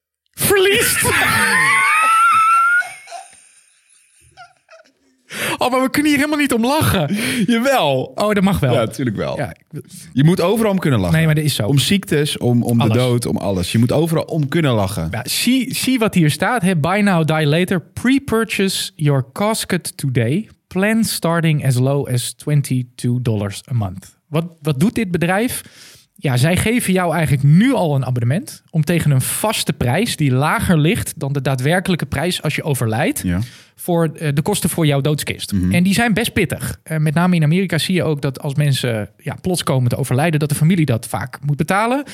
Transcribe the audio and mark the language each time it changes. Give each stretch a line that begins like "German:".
Dutch: Verliest! Oh, maar we kunnen hier helemaal niet om lachen. Jawel. Oh, dat mag wel. Ja, natuurlijk wel. Ja. Je moet overal om kunnen lachen. Nee, maar dat is zo. Om ziektes, om de dood, om alles. Je moet overal om kunnen lachen. Ja, zie wat hier staat.
English: Hey, buy now, die later. Pre-purchase your casket today. Plan starting as low as $22 a month.
Dutch: Wat doet dit bedrijf? Ja, zij geven jou eigenlijk nu al een abonnement. Om tegen een vaste prijs die lager ligt dan de daadwerkelijke prijs als je overlijdt. Ja. Voor de kosten voor jouw doodskist. Mm-hmm. En die zijn best pittig. Met name in Amerika zie je ook dat als mensen plots komen te overlijden, dat de familie dat vaak moet betalen.